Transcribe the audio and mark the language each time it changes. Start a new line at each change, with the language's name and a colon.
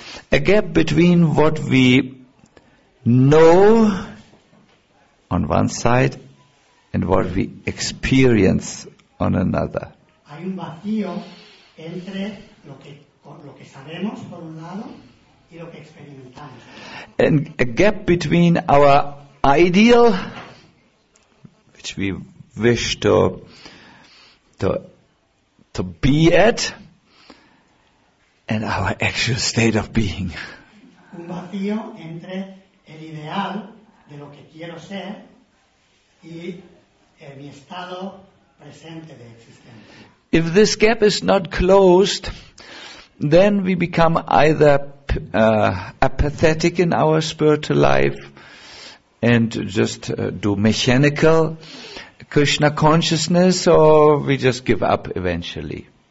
English: A gap between what we know on one side and what we experience on another.
Spanish: Hay un vacío entre lo que sabemos por un lado y lo que experimentamos.
English: And a gap between our ideal, which we wish to be at, and our actual state of being.
Spanish: Un vacío entre el ideal de lo que quiero ser y mi estado presente de existencia.
English: If this gap is not closed, then we become either apathetic in our spiritual life and just do mechanical Krishna consciousness, or we just give up eventually.